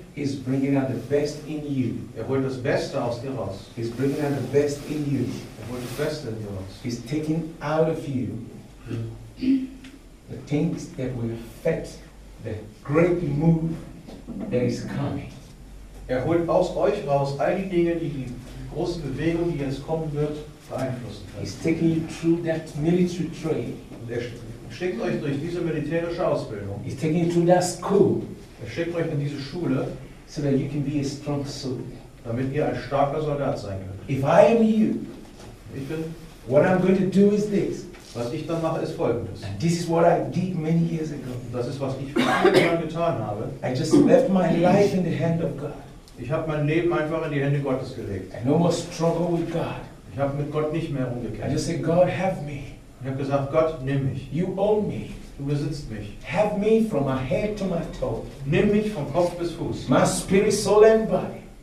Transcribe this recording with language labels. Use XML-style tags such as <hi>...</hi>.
<en>He is bringing out the best in you.</en> <de>Er holt das Beste aus dir raus.</de> <en>He is bringing out the best in you.</en> <de>Er holt das Beste in dir raus.</de> <en>He is taking out of you the things that will affect the great move that is coming.</en> <de>Er holt aus euch raus all die Dinge, die große Bewegung, die jetzt kommen wird, beeinflussen kann.</de> <en>He's taking you through that military training.</en> <de>Er schickt euch durch diese militärische Ausbildung.</de> <en>He's taking you through that school.</en> <de>Er schickt euch in diese Schule,</de> <en>so that you can be a strong soldier.</en> <de>Damit ihr ein starker Soldat sein könnt.</de> <en>If I am you,</en> <de>ich bin</de> <en>What I'm going to do is this.</en> <de>Was ich dann mache, ist Folgendes.</de> <en>And this is what I did many years ago.</en> <de>Das ist, was ich früher getan habe.</de> <en>I just left my life in the hand of God.</en> <de>Ich habe mein Leben einfach in die Hände Gottes gelegt.</de> <en>I no more struggle with God.</en> <de>Ich habe mit Gott nicht mehr rumgekämpft.</de> <en>I just said, God, have me.</en> <de>Ich habe gesagt, Gott, nimm mich.</de> <en>You own me.</en> <de>Du besitzt mich.</de> <en>Have me from my head to my toe.</en> <de>Nimm mich von Kopf bis Fuß.</de> <en>My spirit, soul and body.</en>